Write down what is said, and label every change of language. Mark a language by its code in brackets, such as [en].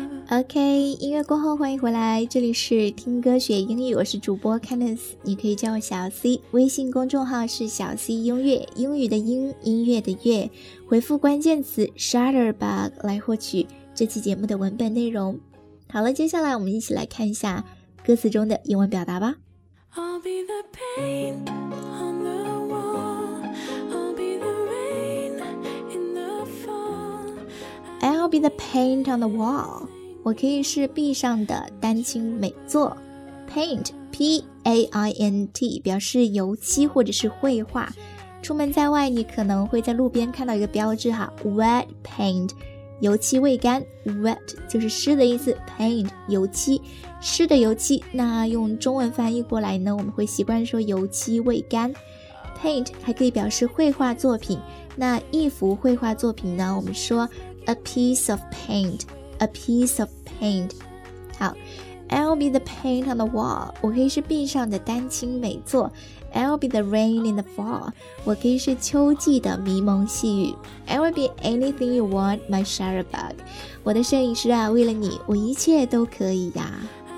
[zh] OK， 音乐过后欢迎回来，这里是听歌学英语，我是主播 Candice， 你可以叫我小 C， 微信公众号是小 C 音乐，英语的音，音乐的乐，回复关键词 Shutterbug 来获取这期节目的文本内容。好了，接下来我们一起来看一下歌词中的英文表达吧。 [en] I'll be the painI'll be the paint on the wall. [zh] 我可以是壁上的丹青美作。Paint, P-A-I-N-T, 表示油漆或者是绘画。出门在外，你可能会在路边看到一个标志哈 ，wet paint, 油漆未干。 Wet 就是湿的意思 ，paint 油漆，湿的油漆。那用中文翻译过来呢，我们会习惯说油漆未干。 Paint 还可以表示绘画作品。那一幅绘画作品呢，我们说。 [en] A piece of paint, a piece of paint. 好 I'll be the paint on the wall. [zh] 我可以是壁上的丹青美作 [en] I'll be the rain in the fall. [zh] 我可以是秋季的迷蒙细雨 [en] I'll be anything you want, my shutterbug. [zh] 我的摄影师啊，为了你，我一切都可以呀。